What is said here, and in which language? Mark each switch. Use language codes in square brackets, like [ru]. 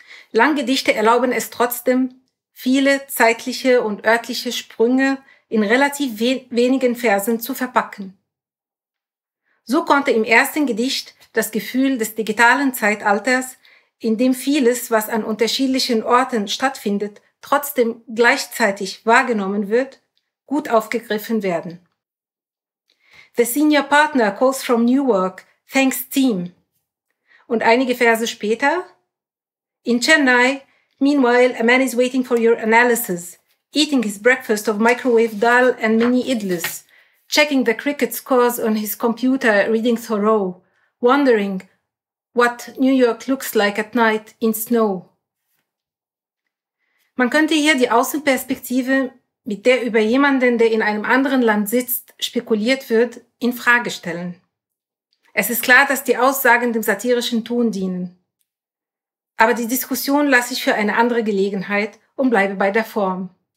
[de] Langgedichte erlauben es trotzdem, viele zeitliche und örtliche Sprünge in relativ wenigen Versen zu verpacken. So konnte im ersten Gedicht das Gefühl des digitalen Zeitalters, in dem vieles, was an unterschiedlichen Orten stattfindet, trotzdem gleichzeitig wahrgenommen wird, gut aufgegriffen werden. [en] The senior partner calls from Newark, thanks team. [de] Und einige Verse später? [en] In Chennai, meanwhile a man is waiting for your analysis, eating his breakfast of microwave dal and mini idlis, checking the cricket scores on his computer, reading Thoreau, wondering what New York looks like at night in snow. [de] Man könnte hier die Außenperspektive, mit der über jemanden, der in einem anderen Land sitzt, spekuliert wird, in Frage stellen. Es ist klar, dass die Aussagen dem satirischen Ton dienen. Aber die Diskussion lasse ich für eine andere Gelegenheit und bleibe bei der Form.